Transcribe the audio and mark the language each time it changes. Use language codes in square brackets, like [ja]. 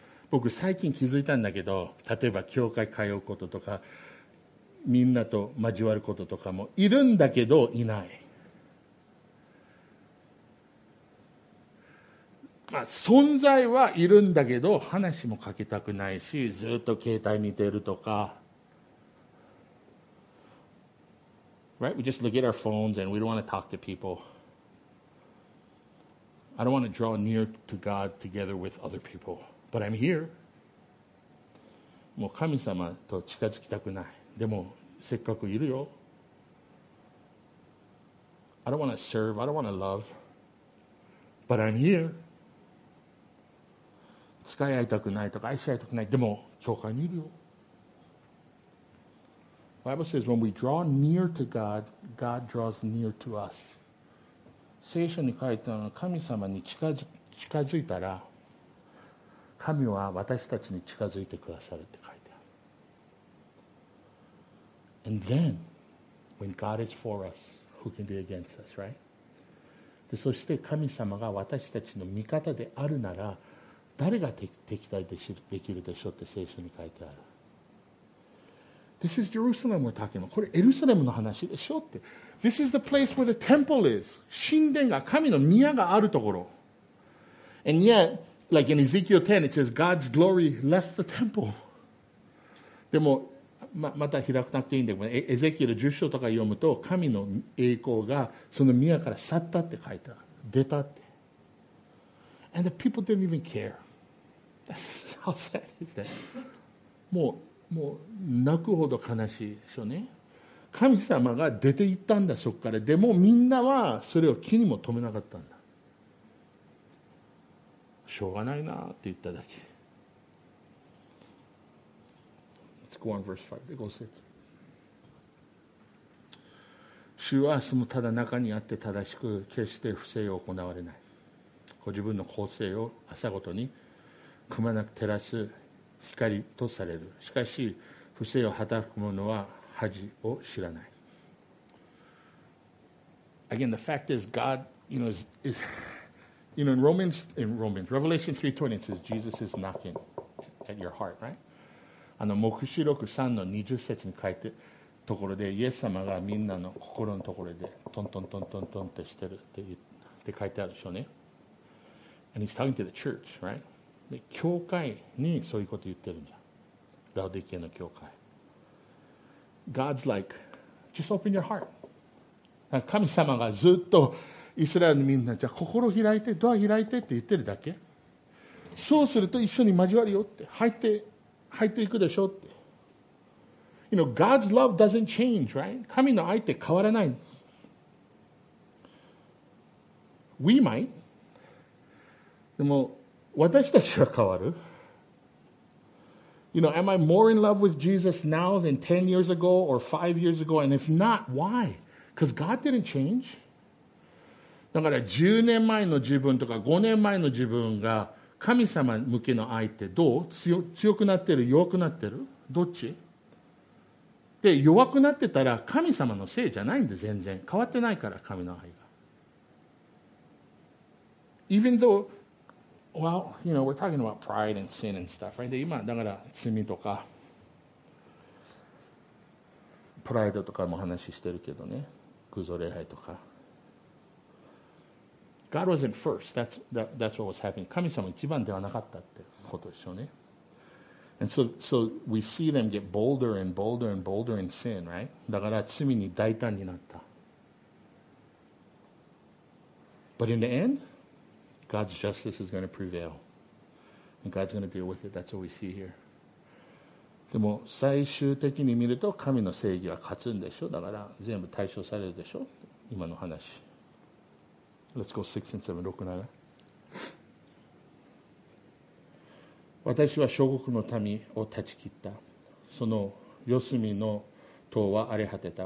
[ja] 僕最近気づいたんだけど、例えば教会通うこととか、みんなと交わることとかもいるんだけど、いない。まあ、存在はいるんだけど、話もかけたくないし、ずっと携帯見てるとか、 [en] Right? We just look at our phones and we don't want to talk to people. I don't want to draw near to God together with other people. But I'm here. [ja] もう神様と近づきたくない。でもせっかくいるよ。 [en] I don't want to serve. I don't want to love. But I'm here. [ja] 使い合いたくないとか愛し合いたくない。でも教会にいるよ。 [en] The Bible says when we draw near to God, God draws near to us. [ja] 聖書に書いてあるのは神様に近づいたら神は私たちに近づいてくださるって書いてある。 [en] And then, when God is for us, who can be against us, right? [ja] で、そして神様が私たちの味方であるなら誰が敵対できるでしょうって聖書に書いてある。 [en] This is Jerusalem we're talking about. [ja] これエルサレムの話でしょって。 [en] This is the place where the temple is. [ja] 神殿が、神の宮があるところ。 [en] And yet, like in Ezekiel 10, it says God's glory left the temple. [ja] でも、また開くなくていいんだけど、エゼキエル10章とか読むと、神の栄光がその宮から去ったって書いてある。出たって。 [en] And the people didn't even care. That's how sad is that? [ja] もう泣くほど悲しいでしょうね。神様が出て行ったんだ、そこから。でもみんなはそれを気にも留めなかったんだ。しょうがないなって言っただけ。 [en] Let's go on verse 5, [ja] 5節。主はそのただ中にあって正しく決して不正を行われない、ご自分の構成を朝ごとにくまなく照らす光とされる。しかし不正を働く者は恥を知らない。 [en] Again, the fact is God, you know, is you know, in Romans, Revelation 3:20, it says Jesus is knocking at your heart, right? [ja] あの黙示録3の20節に書いてところで、イエス様がみんなの心のところでトントントントントンってしてるって言って書いてあるでしょうね。 [en] And he's talking to the church, right? [ja] で教会にそういうこと言ってるんじゃん。ラオディケの教会。 [en] God's like, just open your heart. [ja] 神様がずっとイスラエルのみんな、じゃあ心開いて、ドア開いてって言ってるだけ。そうすると一緒に交わるよって、入っていくでしょうって。 [en] You know, God's love doesn't change, right? [ja] 神の愛って変わらない。 [en] We might. [ja] でも、私たちは変わる。 [en] You know, am I more in love with Jesus now than 10 years ago or 5 years ago? And if not, why? Because God didn't change. [ja] だから10年前の自分とか5年前の自分が神様向けの愛ってどう？強くなってる？弱くなってる？どっち？で、弱くなってたら神様のせいじゃないんで、全然変わってないから神の愛が。 [en] Even though, well, you know, we're talking about pride and sin and stuff, right? [ja] で、今だから罪とかプライドとかも話してるけどね、偶像礼拝とか。 [en] God wasn't first. That's what was happening. [ja] 神様一番ではなかったってことでしょうね。 [en] And so we see them get bolder and bolder and bolder in sin, right? [ja] だから罪に大胆になった。 [en] But in the end, God's justice is going to prevail. And God's going to deal with it. That's what we see here. [ja] でも最終的に見ると神の正義は勝つんでしょ。だから全部対処されるでしょ。今の話。 [en] Let's go 6 and 7, 6 and 7. [ja] 私は諸国の民を断ち切った。その四隅の塔は荒れ果てた。